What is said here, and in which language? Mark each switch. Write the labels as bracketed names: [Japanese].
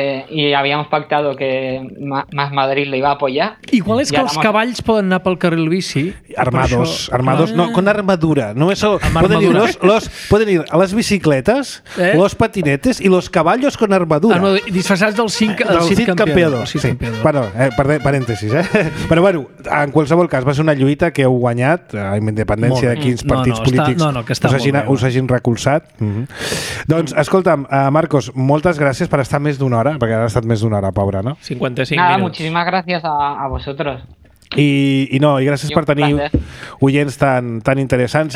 [Spanish] Y habíamos pactado que más Madrid lo iba a apoyar. Igual es que los caballos pueden ir pel carril bici. Armados, no, con armadura. No eso, pueden ir a las bicicletas, los patinetes y los caballos con armadura. Ah, no, disfrazados del Cid campeador. Bueno, paréntesis. [Catalan] Pero bueno, en qualsevol cas, va ser una lluita que heu guanyat, amb independència de quins partits polítics us hagin recolzat. Doncs, escolta'm, Marcos, moltes gràcies per estar més d'una hora, perquè ara ha estat més d'una hora, pobra, no? 55 minuts. [Spanish] Nada, muchísimas gracias a vosotros. [Catalan] I gràcies per tenir oients tan interessants.